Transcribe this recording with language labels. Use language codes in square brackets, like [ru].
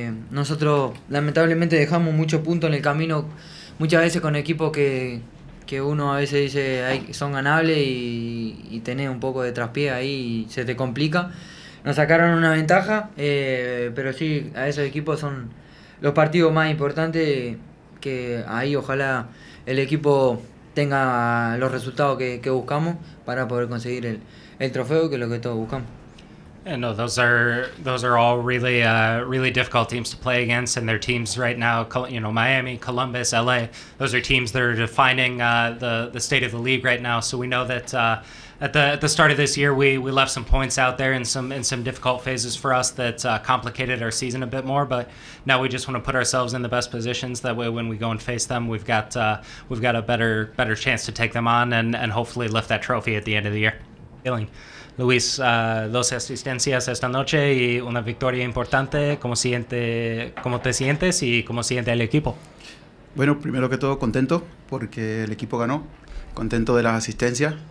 [es] Nosotros lamentablemente dejamos muchos puntos en el camino, muchas veces con equipos que uno a veces dice son ganables y tenés un poco de traspié ahí y se te complica. Nos sacaron una ventaja, pero sí, a esos equipos son los partidos más importantes, que ahí ojalá el equipo tenga los resultados que buscamos para poder conseguir el trofeo, que es lo que todos buscamos. [en] And yeah, no, those are all really really difficult teams to play against, and their teams right now, you know, Miami, Columbus, LA, those are teams that are defining the state of the league right now. So we know that at the start of this year we left some points out there in some difficult phases for us that complicated our season a bit more, but now we just want to put ourselves in the best positions that way when we go and face them we've got a better chance to take them on and hopefully lift that trophy at the end of the year. [es] Luis, dos asistencias esta noche y una victoria importante. ¿Cómo te sientes y cómo siente el equipo? Bueno, primero que todo, contento porque el equipo ganó. Contento de las asistencias.